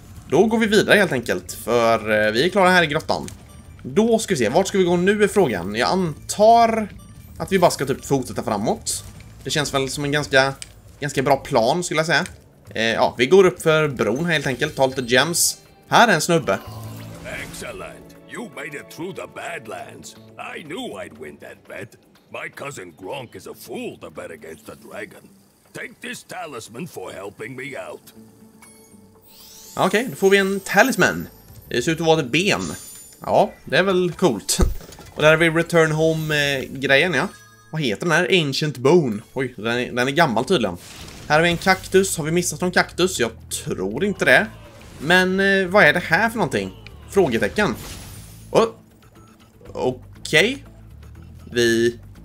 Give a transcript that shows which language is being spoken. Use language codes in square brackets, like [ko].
[sv] Då går vi vidare helt enkelt, för vi är klara här i grottan. Då ska vi se, vart ska vi gå nu är frågan. Jag antar att vi bara ska typ fortsätta framåt. Det känns väl som en ganska bra plan skulle jag säga. Ja, vi går upp för bron här helt enkelt, tar lite gems. Här är en snubbe. [en] Excellent, you made it through the Badlands. I knew I'd win that bet. My cousin Gronk is a fool to bet against the dragon. Take this talisman for helping me out. [sv] Okej, då får vi en talisman. Det ser ut att vara ett ben. Ja, det är väl coolt. Och där har vi return home-grejen, ja. Vad heter den här? Ancient bone. Oj, den är gammal tydligen. Här har vi en kaktus. Har vi missat någon kaktus? Jag tror inte det. Men vad är det här för någonting? Frågetecken. Okej. Vi...